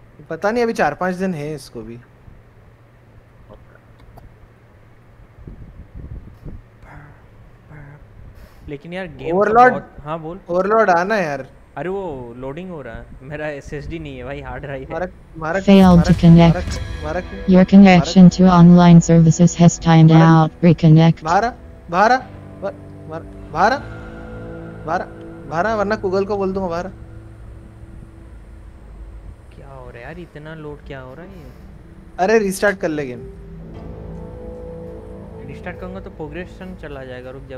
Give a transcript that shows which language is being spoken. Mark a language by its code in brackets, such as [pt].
[hi] पता नहीं, अभी 4-5 दिन है इसको भी। लेकिन यार गेम ओवरलोड। हाँ बोल। ओवरलोड आना यार। अरे वो लोडिंग हो रहा है, मेरा एसएसडी नहीं है भाई, हार्ड ड्राइव है। [en] Failed to connect. Your connection to online services has timed out. Reconnect. [hi] भारा वरना गूगल को बोल दूंगा भारा। क्या हो रहा है यार, इतना लोड क्या हो रहा है ये? अरे रिस्टार्ट कर ले गेम। रिस्टार्ट करूंगा तो प्रोग्रेशन चला जाएगा, रुक जा।